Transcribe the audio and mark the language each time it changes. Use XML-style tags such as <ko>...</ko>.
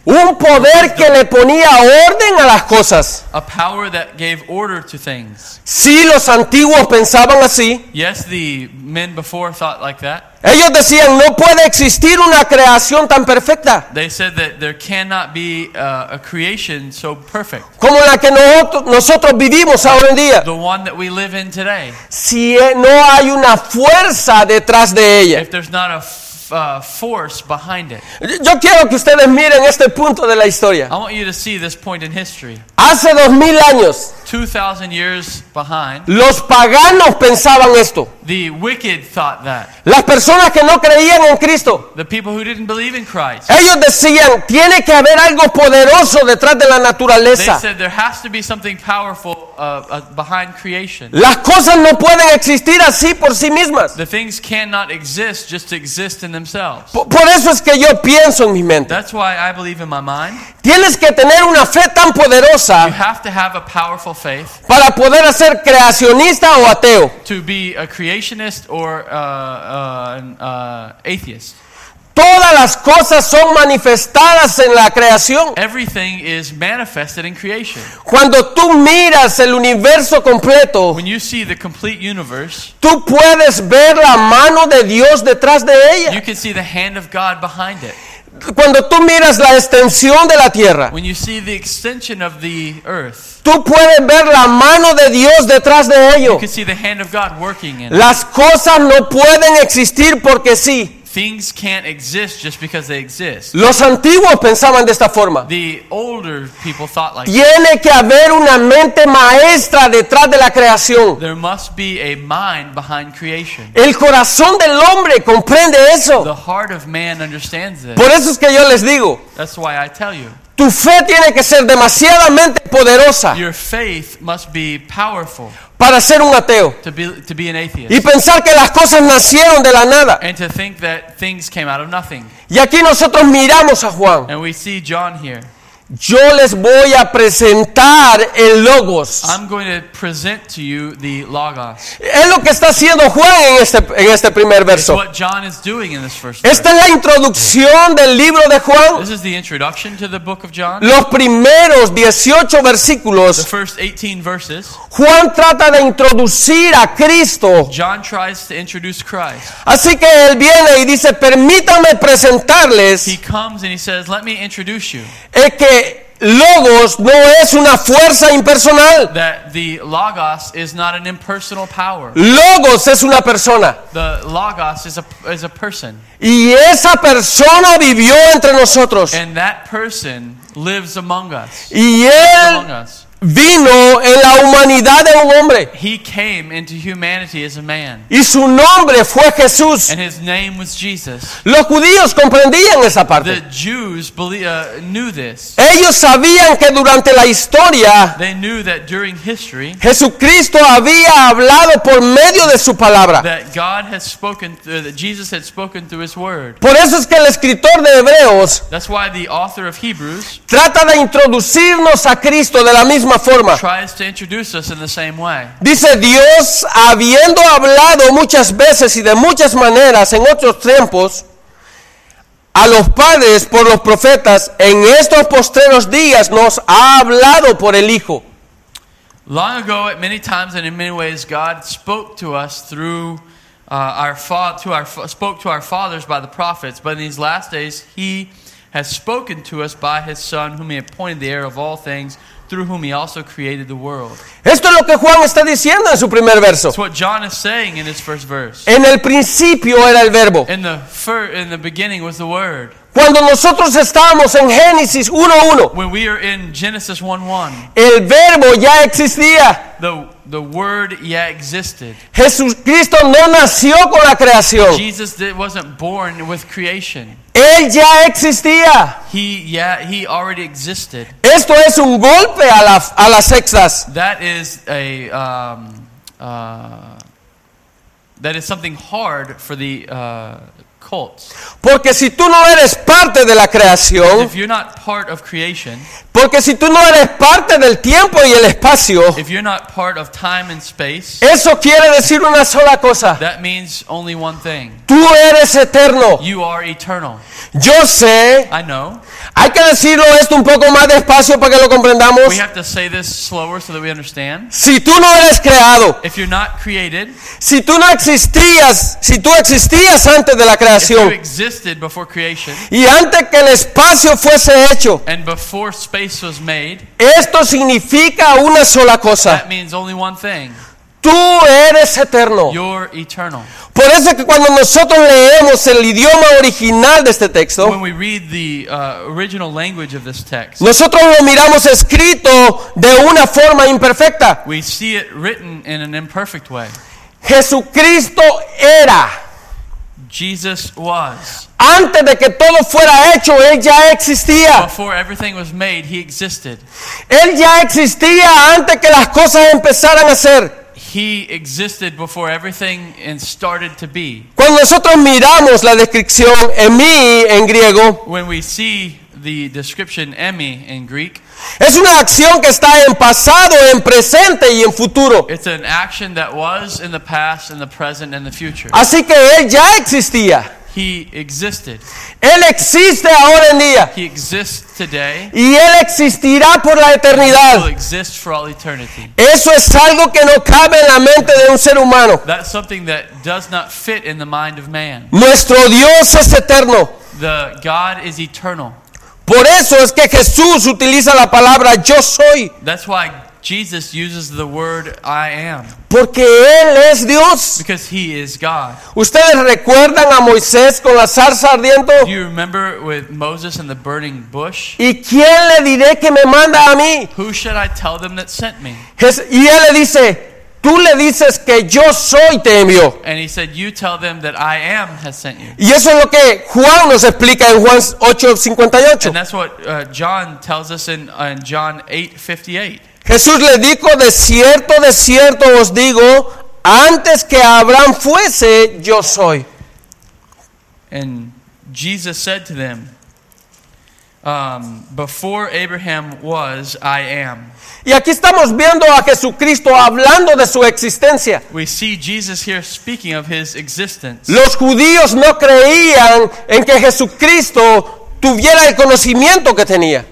<es>Un poder que le ponía orden a las cosas.</es> <en>A power that gave order to things.</en> <es>Sí, los antiguos pensaban así.</es> <en>Yes, the men before thought like that.</en> <es>Ellos decían, no puede existir una creación tan perfecta.</es> <en>They said that there cannot be a creation so perfect.</en> <es>Como la que nosotros vivimos ahora en día.</es> <en>The one that we live in today.</en> <es>Si no hay una fuerza detrás de ella.</es> <en>If there's not a force behind it.</en> <es>Yo quiero que ustedes miren este punto de la historia.</es> <en>I want you to see this point in history.</en> <es>Hace 2000 años.</es> <en>2000 years behind.</en> <es>Los paganos pensaban esto.</es> <en>The wicked thought that.</en> <es>Las personas que no creían en Cristo.</es> <en>The people who didn't believe in Christ.</en> <es>Ellos decían, tiene que haber algo poderoso detrás de la naturaleza.</es> <en>They said there has to be something powerful behind creation.</en> <es>Las cosas no pueden existir así por sí mismas.</es> <en>The things cannot exist just to exist in themselves.</en> <es>Por eso es que yo pienso en mi mente.</es> <en>That's why I believe in my mind.</en> <es>Tienes que tener una fe tan poderosa.</es> <en>You have to have a powerful faith,</en> <es>para poder ser creacionista o ateo.</es> <en>To be a creationist or an atheist.</en> <es>Todas las cosas son manifestadas en la creación.</es> <en>Everything is manifested in creation.</en> <es>Cuando tú miras el universo completo,</es> <en>when you see the complete universe,</en> <es>tú puedes ver la mano de Dios detrás de ella.</es> <en>You can see the hand of God behind it.</en> <es>Cuando tú miras la extensión de la tierra,</es> <en>when you see the extension of the earth,</en> <es>tú puedes ver la mano de Dios detrás de ello.</es> <en>You can see the hand of God working in</en> <es>las cosas no pueden existir porque sí.</es> <en>Things can't exist just because they exist.</en> <es>Los antiguos pensaban de esta forma.</es> <en>The older people thought like</en> <es>tiene que haber una mente maestra detrás de la creación.</es> <en>There must be a mind behind creation.</en> <es>El corazón del hombre comprende eso.</es> <en>The heart of man understands this.</en> <es>Por eso es que yo les digo.</es> <en>That's why I tell you.</en> <es>Tu fe tiene que ser demasiadamente poderosa.</es> <en>Your faith must be powerful.</en> <es>Para ser un ateo.</es> <en>To be an atheist.</en> <es>Y pensar que las cosas nacieron de la nada.</es> <en>And to think that things came out of nothing.</en> <es>Y aquí nosotros miramos a Juan.</es> <en>And we see John here.</en> <es>Yo les voy a presentar el Logos.</es> <en>I'm going to present to you the Logos.</en> <es>Es lo que está haciendo Juan en este primer verso.</es> <en>What John is doing in this first verse.</en> <es>Esta es la introducción del libro de Juan.</es> <en>This is the introduction to the book of John.</en> <es>Los primeros 18 versículos.</es> <en>The first 18 verses.</en> <es>Juan trata de introducir a Cristo.</es> <en>John tries to introduce Christ.</en> <es>Así que él viene y dice, permítanme presentarles.</es> <en>He comes and he says, let me introduce you.</en> <es>Que Logos no es una fuerza impersonal.</es> <en>That the Logos is not an impersonal power.</en> <es>Logos es una persona.</es> <en>The Logos is a person.</en> <es>Y esa persona vivió entre nosotros.</es> <en>And that person lives among us.</en> <es>Y él vino en la humanidad de un hombre.</es> <en>He came into humanity as a man.</en> <es>Y su nombre fue Jesús.</es> <en>And his name was Jesus.</en> <es>Los judíos comprendían esa parte.</es> <en>The Jews knew this.</en> <es>Ellos sabían que durante la historia,</es> <en>they knew that during history,</en> <es>Jesucristo había hablado por medio de su palabra.</es> <en>That God has spoken through, that Jesus had spoken through his word.</en> <es>Por eso es que el escritor de Hebreos,</es> <en>that's why the author of Hebrews,</en> <es>trata de introducirnos a Cristo de la misma forma.</es> <en>Tries to introduce us in the same way.</en> <es>Dice Dios, habiendo hablado muchas veces y de muchas maneras en otros tiempos a los padres por los profetas, en estos postreros días nos ha hablado por el Hijo.</es> <en>Long ago, at many times and in many ways, God spoke to us through spoke to our fathers by the prophets, but in these last days he has spoken to us by his Son, whom he appointed the heir of all things, through whom he also created the world.</en> <es>Esto es lo que Juan está diciendo en su primer verso.</es> <en>It's what John is saying in his first verse.</en> <es>En el principio era el verbo.</es> <en>In the beginning was the word.</en> <es>Cuando nosotros estábamos en Génesis 1:1.</es> <en>When we are in Genesis 1:1.</en> <es>El verbo ya existía.</es> <en>The word yet existed.</en> <es>Jesucristo no nació con la creación.</es> <en>Jesus wasn't born with creation.</en> <es>Él ya existía.</es> <en>He already existed.</en> <es>Esto es un golpe a las sectas.</es> <en>That is a that is something hard for the cults.</en> <es>Porque si tú no eres parte de la creación,</es> <en>if you're not part of creation,</en> <es>porque si tú no eres parte del tiempo y el espacio,</es> <en>if you're not part of time and space,</en> <es>eso quiere decir una sola cosa.</es> <en>That means only one thing.</en> <es>Tú eres eterno.</es> <en>You are eternal.</en> <es>Yo sé.</es> <en>I know.</en> <es>Hay que decirlo esto un poco más despacio para que lo comprendamos.</es> <en>We have to say this slower so that we understand.</en> <es>Si tú no eres creado,</es> <en>if you're not created,</en> <es>si tú no existías, si tú existías antes de la creación,</es> <en>if you existed before creation,</en> <es>y antes que el espacio fuese hecho,</es> <en>and before space was made,</en> <es>esto significa una sola cosa.</es> <en>That means only one thing.</en> <es>Tú eres eterno.</es> <en>You're eternal.</en> <es>Por eso es que cuando nosotros leemos el idioma original de este texto,</es> <en>when we read the, original language of this text,</en> <es>nosotros lo miramos escrito de una forma imperfecta.</es> <en>We see it written in an imperfect way.</en> <es>Jesucristo era.</es> <en>Jesus was.</en> <es>Antes de que todo fuera hecho, él ya existía.</es> <en>Before everything was made, he existed.</en> <es>Él ya existía antes que las cosas empezaran a ser.</es> <en>He existed before everything and started to be.</en> <es>Cuando nosotros miramos la descripción emi en griego,</es> <en>when we see the description emi in Greek,</en> <es>es una acción que está en pasado, en presente y en futuro.</es> <en>It's an action that was in the past, in the present, and the future.</en> <es>Así que él ya existía.</es> <en>He existed.</en> <es>Él existe ahora en día.</es> <en>He exists today.</en> <es>Y él existirá por la eternidad.</es> <en>He will exist for all eternity.</en> <es>Eso es algo que no cabe en la mente de un ser humano.</es> <en>That's something that does not fit in the mind of man.</en> <es>Nuestro Dios es eterno.</es> <en>The God is eternal.</en> <es>Por eso es que Jesús utiliza la palabra yo soy.</es> <en>That's why Jesus uses the word I am.</en> <es>Porque él es Dios.</es> <en>Because he is God.</en> <es>¿Ustedes recuerdan a Moisés con la zarza ardiente?</es> <en>Do you remember with Moses and the burning bush?</en> <es>¿Y quién le diré que me manda a mí?</es> <en>Who should I tell them that sent me?</en> <es>Y él le dice, tú le dices que yo soy te envió.</es> <en>And he said, you tell them that I am has sent you.</en> <es>Y eso es lo que Juan nos explica en Juan 8:58.</es> <en>And that's what John tells us in John 8:58.</en> <es>Jesús le dijo, de cierto os digo, antes que Abraham fuese, yo soy.</es> <en>And Jesus said to them, before Abraham was, I am.</en> <es>Y aquí estamos viendo a Jesucristo hablando de su existencia.</es> <en>We see Jesus here speaking of his existence.</en> <es>Los judíos no creían en que Jesucristo tuviera el conocimiento que tenía.</es>